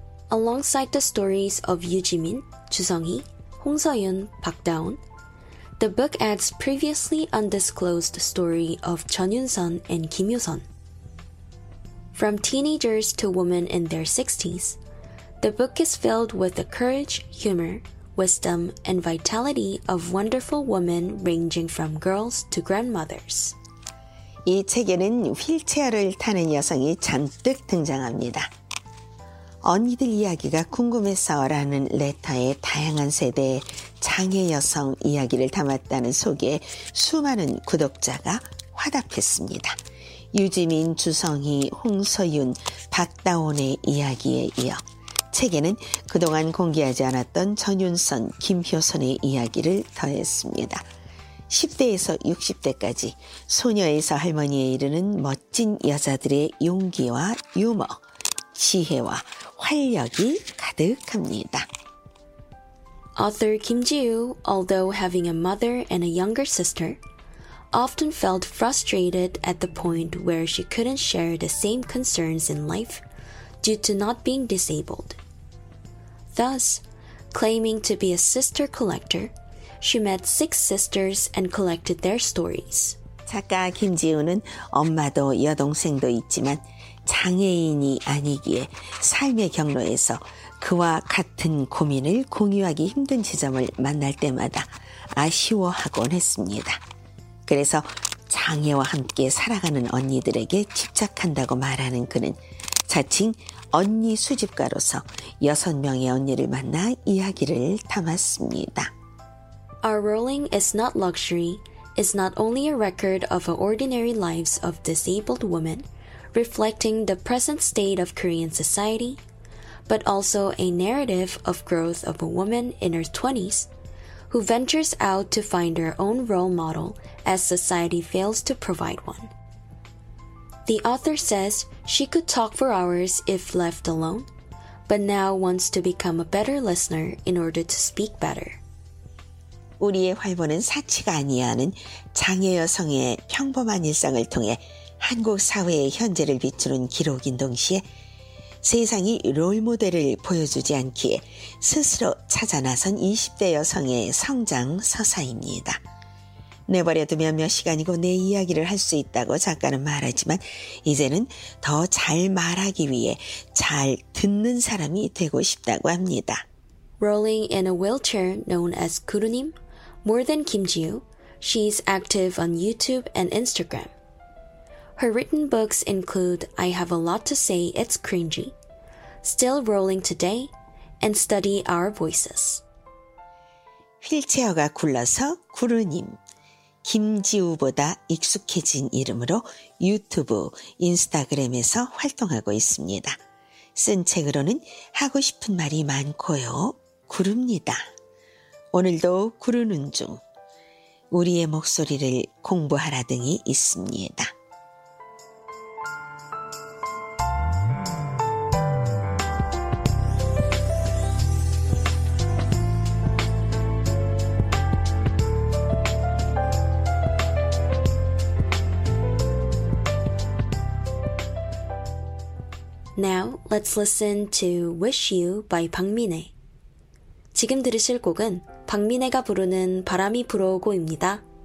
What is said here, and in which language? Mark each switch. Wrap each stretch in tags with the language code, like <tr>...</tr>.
<en>Alongside the stories of Yoo Ji-min, Joo Sung-hee, Hong Seo-yoon, Park Da-won, the book adds previously undisclosed story of Chun Yun-sun and Kim Yoo-sun. From teenagers to women in their 60s, the book is filled with the courage, humor, wisdom, and vitality of wonderful women ranging from girls to grandmothers.</en> <ko>이 책에는 휠체어를 타는 여성이 잔뜩 등장합니다. 언니들 이야기가 궁금해서라는 레터에 다양한 세대의 장애 여성 이야기를 담았다는 소개에 수많은 구독자가 화답했습니다. 유지민, 주성희, 홍서윤, 박다온의 이야기에 이어 책에는 그동안 공개하지 않았던 전윤선, 김효선의 이야기를 더했습니다. 10대에서 60대까지 소녀에서 할머니에 이르는 멋진 여자들의 용기와 유머, 지혜와 활력이 가득합니다.</ko> <en>Author Kim Ji-woo, although having a mother and a younger sister, often felt frustrated at the point where she couldn't share the same concerns in life due to not being disabled. Thus, claiming to be a sister collector, she met six sisters and collected their stories.</en> <ko>작가 김지우는 엄마도 여동생도 있지만 장애인이 아니기에 삶의 경로에서 그와 같은 고민을 공유하기 힘든 지점을 만날 때마다 아쉬워하곤 했습니다. 그래서 장애와 함께 살아가는 언니들에게 집착한다고 말하는 그는 자칭 언니 수집가로서 여섯 명의 언니를 만나 이야기를 담았습니다.</ko> <en>Our Rolling is Not Luxury is not only a record of ordinary lives of disabled women reflecting the present state of Korean society, but also a narrative of growth of a woman in her 20s who ventures out to find her own role model as society fails to provide one. The author says she could talk for hours if left alone, but now wants to become a better listener in order to speak better.</en> <ko>우리의 활보는 사치가 아니야는 장애 여성의 평범한 일상을 통해 한국 사회의 현재를 비추는 기록인 동시에 세상이 롤모델을 보여주지 않기에 스스로 찾아 나선 20대 여성의 성장 서사입니다. 내버려두면 몇 시간이고 내 이야기를 할 수 있다고 작가는 말하지만 이제는 더 잘 말하기 위해 잘 듣는 사람이 되고 싶다고 합니다.</ko> <en>Rolling in a wheelchair known as 구루님, more than Kim Ji-woo, she's active on YouTube and Instagram. Her written books include I Have a Lot to Say, It's Cringy, Still Rolling Today, and Study Our Voices.</en> <ko>휠체어가 굴러서 구루님, 김지우보다 익숙해진 이름으로 유튜브, 인스타그램에서 활동하고 있습니다. 쓴 책으로는 하고 싶은 말이 많고요, 구릅니다. 오늘도 구르는 중 우리의 목소리를 공부하라 등이 있습니다.</ko> <en>Now, let's listen to Wish You by 박민혜.</en> <ko>지금 들으실 곡은 박민혜가 부르는 바람이 불어오고입니다.</ko>